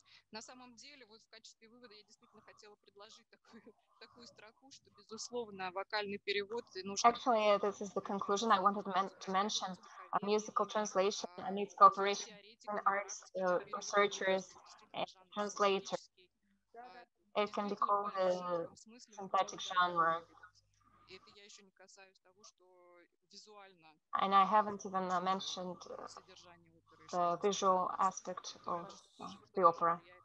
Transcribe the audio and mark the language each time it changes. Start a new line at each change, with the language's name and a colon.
Russian: На самом деле, вот в качестве вывода я действительно хотела предложить такую строку, что безусловно вокальный перевод нужен.
English: Actually, this is the conclusion I wanted to mention. A musical translation needs cooperation between arts researchers and translators. It can be called a synthetic genre.
Russian: Это я еще не касаюсь того, что визуально.
English: And I haven't even mentioned the visual aspect of the opera.